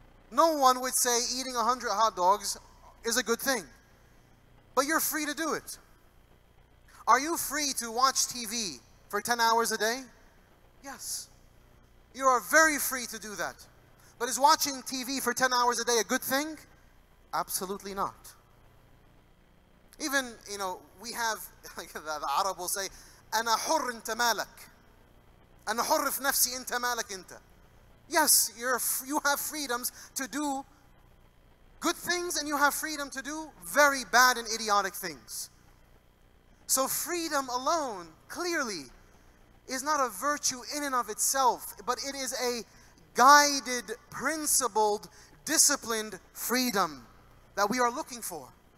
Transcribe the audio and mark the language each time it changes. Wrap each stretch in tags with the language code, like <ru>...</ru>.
<en>No one would say eating 100 hot dogs is a good thing. But you're free to do it. Are you free to watch TV for 10 hours a day? Yes. You are very free to do that. But is watching TV for 10 hours a day a good thing? Absolutely not. Even, you know, we have, like the Arab will say,</en> <ar>أنا حر أنت مالك أنا حر في نفسي أنت مالك أنت.</ar> <en>Yes, you have freedoms to do good things and you have freedom to do very bad and idiotic things. So freedom alone, clearly, is not a virtue in and of itself, but it is a guided, principled, disciplined freedom that we are looking for.</en>